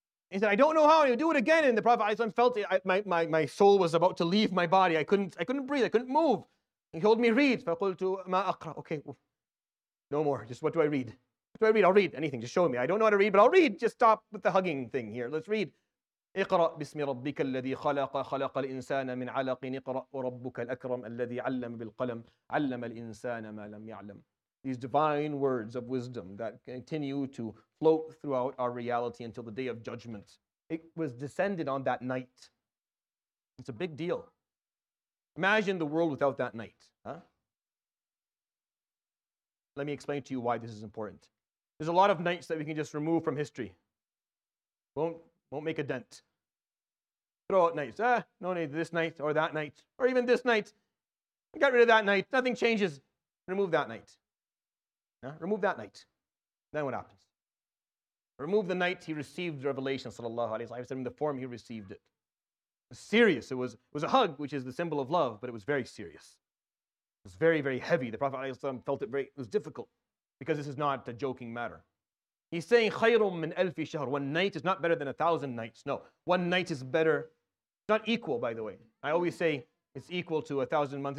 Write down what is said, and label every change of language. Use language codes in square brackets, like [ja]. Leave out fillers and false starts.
[en] He said, I don't know how. And he would do it again. And the Prophet alayhi salatu wasalam felt my soul was about to leave my body. I couldn't breathe. I couldn't move. And he told me, read. [ar] فَقُلْتُ مَا أَقْرَى. [en] Okay, no more. Just what do I read? What do I read? I'll read anything. Just show me. I don't know how to read, but I'll read. Just stop with the hugging thing here. Let's read. [ar] اقرأ باسم ربك الذي خلق خلق الإنسان من علق اقرأ وربك الأكرم الذي علم بالقلم علم الإنسان ما لم يعلم. [en] These divine words of wisdom that continue to float throughout our reality until the day of judgment. It was descended on that night. It's a big deal. Imagine the world without that night. Huh? Let me explain to you why this is important. There's a lot of nights that we can just remove from history. Won't make a dent. Throw out nights. No need this night or that night or even this night. Get rid of that night. Nothing changes. Remove that night. Yeah? Remove that night. Then what happens? Remove the night he received revelation, sallallahu alayhi wa sallam, in the form he received it. It was serious. It was a hug, which is the symbol of love, but it was very serious. It was very, very heavy. The Prophet alayhi wa sallam felt it very, it was difficult because this is not a joking matter. He's saying, [ar] خَيْرٌ مِّنْ أَلْفِ شَهْرٍ. [en] One night is not better than 1,000 nights. No, one night is better. It's not equal, by the way. I always say it's equal to 1,000 months.